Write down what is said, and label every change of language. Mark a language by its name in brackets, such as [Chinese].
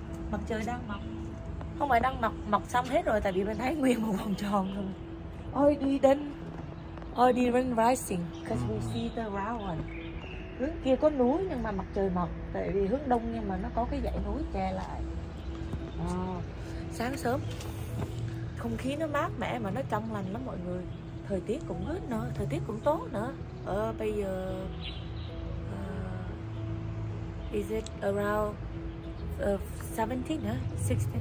[Vietnamese] Mặt trời đang mọc, không phải đang mọc xong hết rồi, tại vì mình thấy nguyên một vòng tròn thôi. [English] Already rising, cause we see the round one. [Vietnamese] Hướng kia có núi nhưng mà mặt trời mọc, tại vì hướng đông nhưng mà nó có cái dãy núi che lại. Sáng sớm, không khí nó mát mẻ mà nó trong lành lắm mọi người. Thời tiết cũng good nữa, thời tiết cũng tốt nữa. Bây giờ [English] is it around 17 nữa, 16?